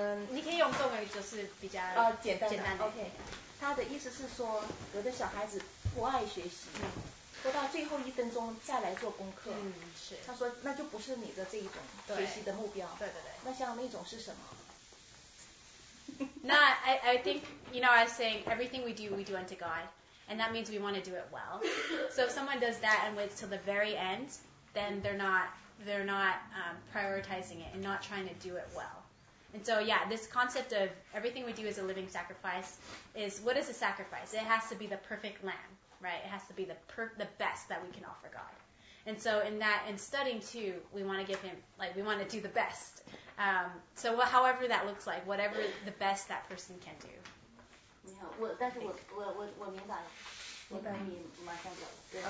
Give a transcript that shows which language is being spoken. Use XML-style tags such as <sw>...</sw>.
<zh>你可以用中文就是比较简单的。 OK。他的意思是说，有的小孩子不爱学习，拖到最后一分钟再来做功课。嗯，是。他说，那就不是你的这一种学习的目标。对对对。那像那种是什么？</zh> <en>No, I think, you know, I was saying everything we do unto God, and that means we want to do it well. So if someone does that and waits till the very end, then they're not prioritizing it and not trying to do it well. And so, yeah, this concept of everything we do is a living sacrifice is, what is a sacrifice? It has to be the perfect lamb, right? It has to be the best that we can offer God. And so in that, in studying too, we want to give him, like, we want to do the best. So however that looks like, whatever the best that person can do.</en> <zh>没有，我但是我明白了，我可以马上走了。</zh>